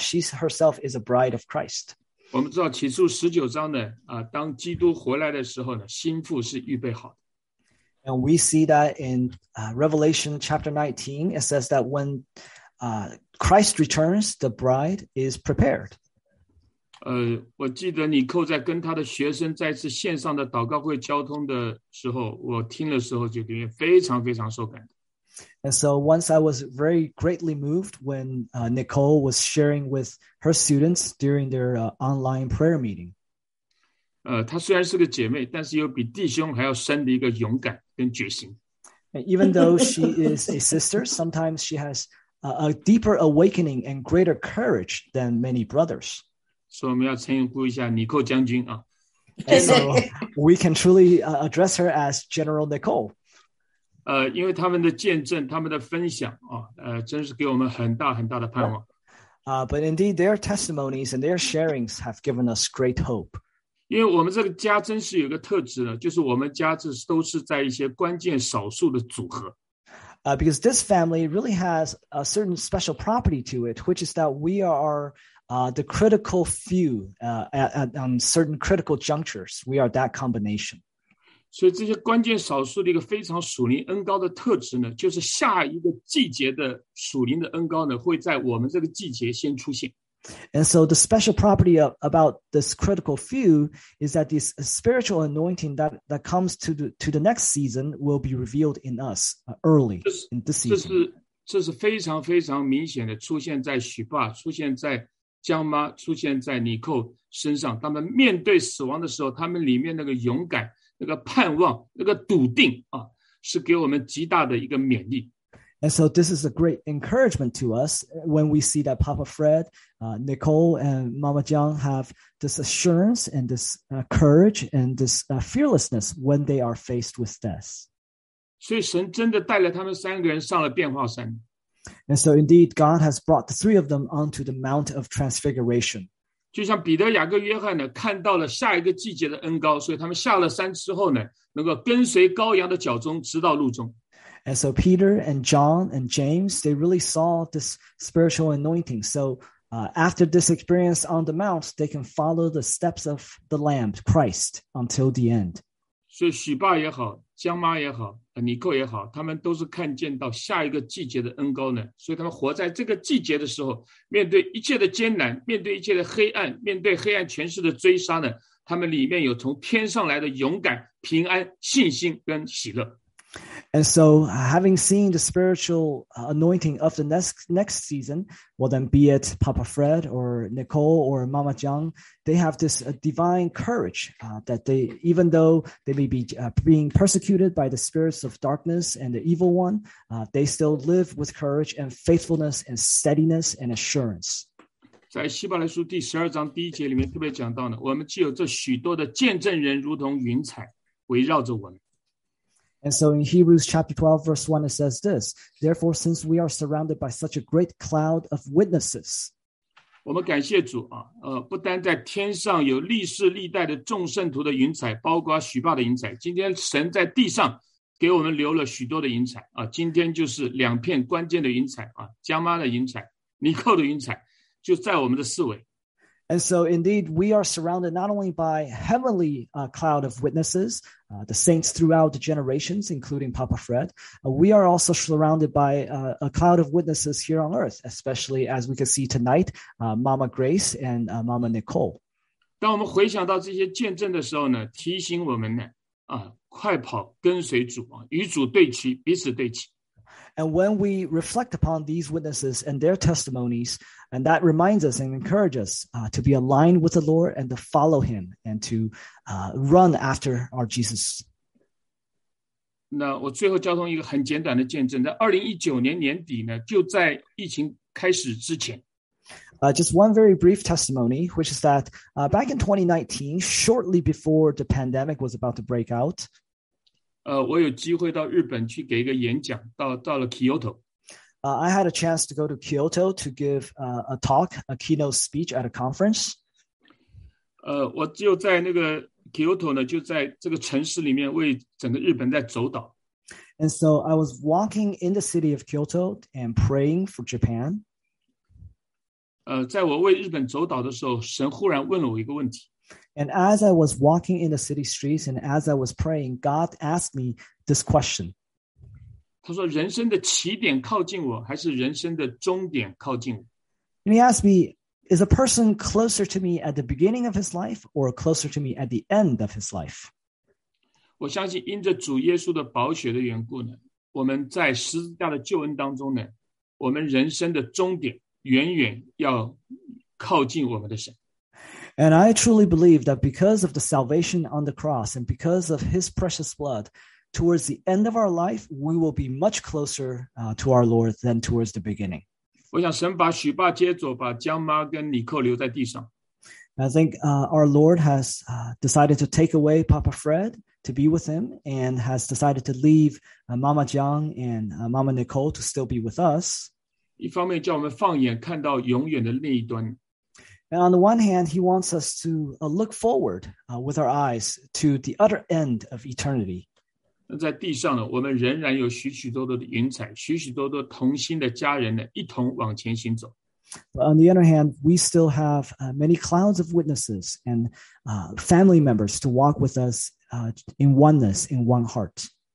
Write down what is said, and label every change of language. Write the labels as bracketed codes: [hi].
[en] She herself is a bride of Christ. [zh] 我们知道启示录十九章呢，当基督回来的时候呢，心腹是预备好的。 [en] And we see that in Revelation chapter 19, it says that when Christ returns, the bride is prepared. [zh] 我记得尼寇在跟他的学生在一次线上的祷告会交通的时候，我听的时候就觉得非常非常受感动。 [en] And so once I was very greatly moved when Nicole was sharing with her students during their online prayer meeting. [zh] 她虽然是个姐妹，但是有比弟兄还要深的一个勇敢跟决心。 [en] And even though she is a sister, sometimes she has a deeper awakening and greater courage than many brothers. [zh] 所以我们要称呼一下尼寇将军啊。 [en] So we can truly address her as General Nicole. [zh] 因为他们的见证，他们的分享啊，真是给我们很大很大的盼望。 [en] But indeed, their testimonies and their sharings have given us great hope. [zh] 因为我们这个家真是有个特质呢，就是我们家这都是在一些关键少数的组合。 [en] Because this family really has a certain special property to it, which is that we are the critical few at certain critical junctures. We are that combination. [zh] 所以这些关键少数的一个非常属灵恩膏的特质呢，就是下一个季节的属灵的恩膏呢，会在我们这个季节先出现。 [en] And so the special property of, about this critical few is that this spiritual anointing that, that comes to the, next season will be revealed in us early in this season. [zh] 这是非常非常明显的出现在许爸、出现在江妈、出现在尼寇身上。他们面对死亡的时候，他们里面那个勇敢、那个盼望、那个笃定啊，是给我们极大的一个勉励。 [en] And so this is a great encouragement to us when we see that Papa Fred, Nicole, and Mama Jiang have this assurance and this courage and this fearlessness when they are faced with death. [zh] 所以神真的带了他们三个人上了变化山。 [en] And so indeed, God has brought the three of them onto the Mount of Transfiguration. [zh] 就像彼得、雅各、约翰呢，看到了下一个季节的恩膏，所以他们下了山之后呢，能够跟随羔羊的脚踪直到路中。 [en] And so Peter and John and James, they really saw this spiritual anointing. So after this experience on the Mount, they can follow the steps of the Lamb, Christ, until the end. [zh] 所以许爸也好，江妈也好，尼寇也好，他们都是看见到下一个季节的恩膏呢。所以他们活在这个季节的时候，面对一切的艰难，面对一切的黑暗，面对黑暗权势的追杀呢，他们里面有从天上来的勇敢、平安、信心跟喜乐。 [en] And so having seen the spiritual anointing of the next season, well then be it Papa Fred or Nicole or Mama Jiang, they have this divine courage that they, even though they may be being persecuted by the spirits of darkness and the evil one, they still live with courage and faithfulness and steadiness and assurance. [zh] 在希伯来书第十二章第一节里面特别讲到呢，我们既有这许多的见证人如同云彩围绕着我们。 [en] And so in Hebrews chapter 12, verse 1, it says this, Therefore, since we are surrounded by such a great cloud of witnesses, [zh] 我们感谢主啊，不单在天上有历世历代的众圣徒的云彩，包括许霸的云彩，今天神在地上给我们留了许多的云彩啊，今天就是两片关键的云彩啊，江妈的云彩，尼寇的云彩，就在我们的四围。 [en] And so indeed, we are surrounded not only by heavenly cloud of witnesses, the saints throughout the generations, including Papa Fred, we are also surrounded by a cloud of witnesses here on earth, especially as we can see tonight, Mama Grace and Mama Nicole. [zh] 当我们回想到这些见证的时候呢，提醒我们呢，快跑，跟随主，与主对齐，彼此对齐。 [en] And when we reflect upon these witnesses and their testimonies, and that reminds us and encourages us to be aligned with the Lord and to follow Him and to run after our Jesus. [zh] 那我最后交通一个很简短的见证，在2019年年底呢，就在疫情开始之前。 [en] Just one very brief testimony, which is that back in 2019, shortly before the pandemic was about to break out, [zh] 我有机会到日本去给一个演讲，到了 Kyoto。 [en] I had a chance to go to Kyoto to give a talk, a keynote speech at a conference. [zh] 我就在那个 Kyoto 呢，就在这个城市里面为整个日本在走祷。 [en] And so I was walking in the city of Kyoto and praying for Japan. [zh] 在我为日本走祷的时候，神忽然问了我一个问题。 [en] And as I was walking in the city streets and as I was praying, God asked me this question. [zh] 他说人生的起点靠近我还是人生的终点靠近我。 [en] And he asked me, is a person closer to me at the beginning of his life or closer to me at the end of his life? [zh] 我相信因着主耶稣的宝血的缘故呢，我们在十字架的救恩当中呢，我们人生的终点远远要靠近我们的神。 [en] And I truly believe that because of the salvation on the cross and because of his precious blood, towards the end of our life, we will be much closer to our Lord than towards the beginning. [zh] 我想神把许霸接走，把江妈跟尼寇留在地上。 [en] I think our Lord has decided to take away Papa Fred to be with him and has decided to leave Mama Jiang and Mama Nicole to still be with us. 一方面叫我们放眼看到永远的那一端。 And on the one hand, he wants us to look forward with our eyes to the other end of eternity. [zh] 在地上呢,我们仍然有许许多多的云彩,许许多多同心的家人呢,一同往前行走。 [en] But on the other hand, we still have many clouds of witnesses and family members to walk with us in oneness, in one heart.